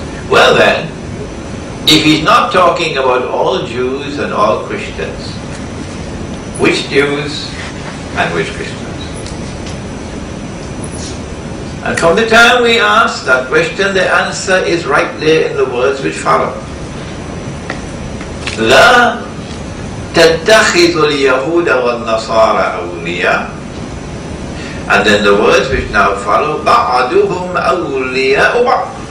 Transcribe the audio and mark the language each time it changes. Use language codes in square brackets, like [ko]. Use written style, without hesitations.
[en] Well then, if he's not talking about all Jews and all Christians, which Jews and which Christians? And from the time we ask that question, the answer is right there in the words which follow. [ar] لا تتخذ اليهود والنصارى أولياء. [en] And then the words which now follow, [ar] بعضهم أولياء بعض.